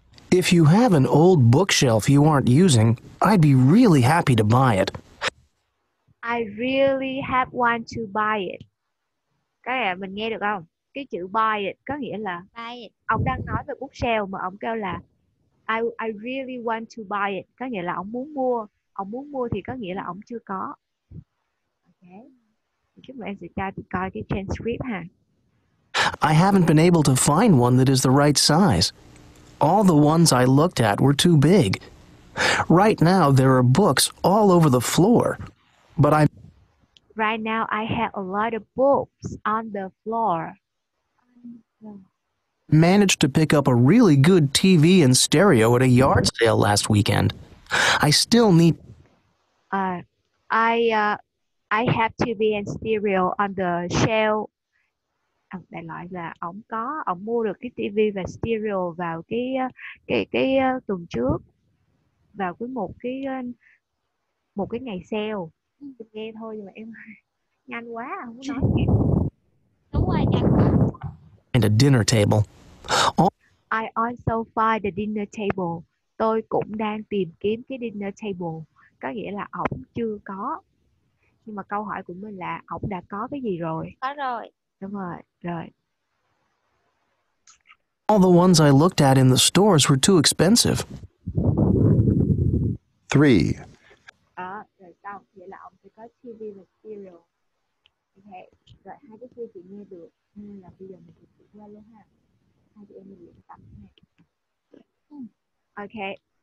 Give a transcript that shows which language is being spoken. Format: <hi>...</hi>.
<en>If you have an old bookshelf you aren't using, I'd be really happy to buy it. I really have one to buy it.</en> <vi>Các bạn mình nghe được không? Cái chữ</vi> <en>buy it</en> <vi>có nghĩa là</vi> <en>buy it.</en> <vi>Ông đang nói về bookshelf mà ông kêu là</vi> <en>I really want to buy it.</en> <vi>Có nghĩa là ông muốn mua. Ông muốn mua thì có nghĩa là ông chưa có. Okay. Chúc mừng anh sẽ coi cái transcript ha.</vi> <en>I haven't been able to find one that is the right size. All the ones I looked at were too big. Right now, there are books all over the floor, but I'm... Right now, I have a lot of books on the floor. Managed to pick up a really good TV and stereo at a yard sale last weekend. I still need... I have TV and stereo on the shelf.</en> <vi>Đại loại là ông mua được cái TV và stereo vào cái tuần trước, vào cái một cái ngày sale. Nghe thôi nhưng mà em nhanh quá, không có nói kịp. Đúng rồi, nhanh.</vi> <en>And a dinner table. I also find the dinner table.</en> <vi>Tôi cũng đang tìm kiếm cái dinner table. Có nghĩa là ông chưa có. Nhưng mà câu hỏi của mình là ông đã có cái gì rồi? Có rồi.</vi> <en>Right. All the ones I looked at in the stores were too expensive. Three.</en> <vi>Rồi sau nghĩa là ông sẽ có TV và stereo. Okay. Rồi hai cái kia chị nghe được. Nên là bây giờ mình sẽ chuyển qua luôn ha. Hai chị em mình luyện tập nha.</vi> <en>Okay.</en>